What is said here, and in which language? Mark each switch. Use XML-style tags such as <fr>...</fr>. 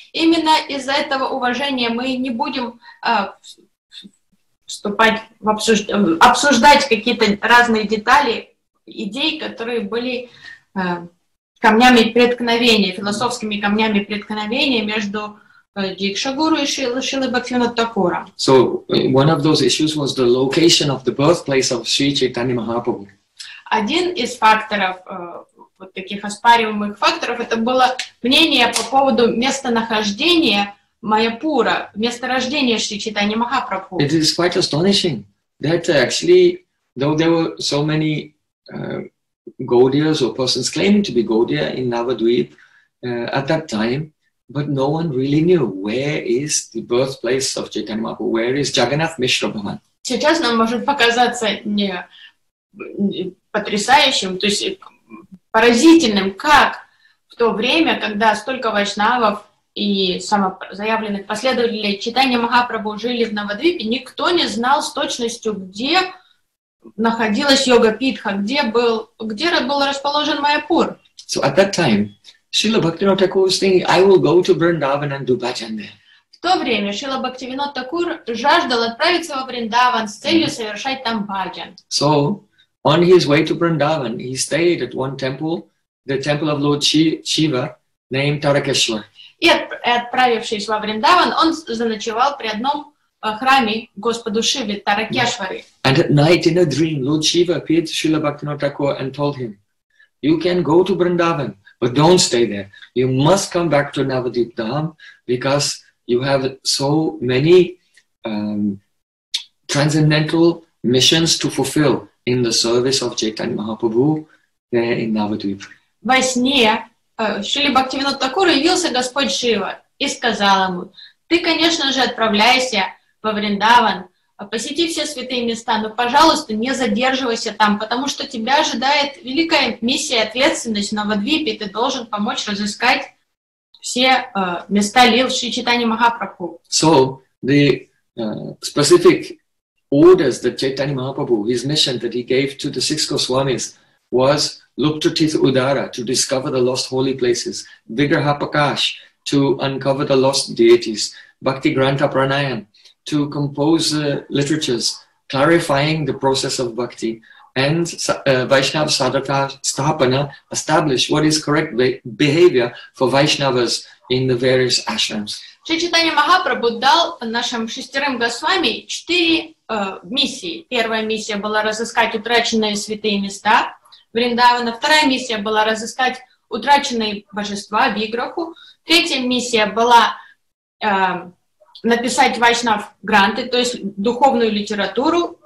<ru>Именно из-за этого уважения мы не будем вступать в обсуждать какие-то разные детали идей, которые были камнями преткновения, философскими камнями преткновения между дикша гуру и Шрилы Бхактивинода Такура.</ru> <en>So one of those issues was the location of the birthplace of Sri Chaitanya Mahaprabhu.</en> <ru>Один из факторов, вот таких оспариваемых факторов, это было мнение по поводу местонахождения Майяпура, месторождения Шри Чайтаньи Махапрабху.</ru> <en>It is quite astonishing that actually, though there were so many Gaudiyas or persons claiming to be Gaudiya in Navadvip at that time, but no one really knew where is the birthplace of Chaitanya Mahaprabhu, where is Jagannath Mishra Bhavan.</en> <ru>Сейчас нам может показаться не потрясающим, то есть поразительным, как в то время, когда столько вайшнавов и самозаявленных последователей Чайтаньи Махапрабху жили в Навадвипе, никто не знал с точностью, где находилась йога Питха, где был расположен Майяпур.</ru> <en>So at that time, Srila Bhaktivinoda Thakur was thinking, I will go to Vrindavan and do bhajan there.</en> <ru>В то время Шрила Бхактивинода Такур жаждал отправиться во Вриндаван с целью совершать там бхаджан.</ru> <en>So, on his way to Vrindavan, he stayed at one temple, the temple of Lord Shiva, named Tarakeshwar.</en> <ru>И отправившись во Вриндаван, он заночевал при одном храме Господу Шиве, Таракешвари.</ru> <en>And at night, in a dream, Lord Shiva appeared to Srila Bhaktivinoda Thakur and told him, you can go to Vrindavan, but don't stay there. You must come back to Navadvip Dham because you have so many transcendental missions to fulfill in the service of Chaitanya Mahaprabhu there in Navadvip.</en> <ru>Во сне Шрила Бхактивинода Такур явился Господь Шива и сказал ему, ты, конечно же, отправляйся во Вриндаван, посети все святые места, но, пожалуйста, не задерживайся там, потому что тебя ожидает великая миссия и ответственность на Навадвипе, ты должен помочь разыскать все места лил Шри Чайтанья Махапрабху.</ru> <en>So, the specific orders that Chaitanya Mahaprabhu, his mission that he gave to the six Goswamis, was look to Tith Udara, to discover the lost holy places, Vigraha Pakash, to uncover the lost deities, Bhakti Granta Pranayam, to compose literatures, clarifying the process of bhakti, and Vaishnava Sadhata Sthapana, establish what is correct behavior for Vaishnavas in the various ashrams.</en> <ru>Шри Чайтанья Махапрабху дал нашим шестерым госвами четыре миссии. Первая миссия была разыскать утраченные святые места Вриндавана. Вторая миссия была разыскать утраченные божества Виграху. Третья миссия была написать вайшнав-гранты, то есть духовную литературу.</ru>